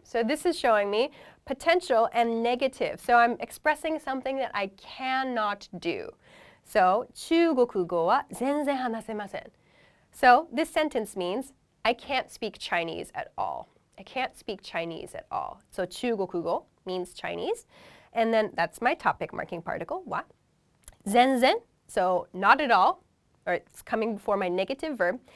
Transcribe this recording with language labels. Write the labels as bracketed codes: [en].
[en] So this is showing me potential and negative. So I'm expressing something that I cannot do. [ja] So 中国語は全然話せません. [en] So this sentence means I can't speak Chinese at all. I can't speak Chinese at all. So 中国語 means Chinese. And then that's my topic marking particle, 와. 全然, so not at all, or it's coming before my negative verb.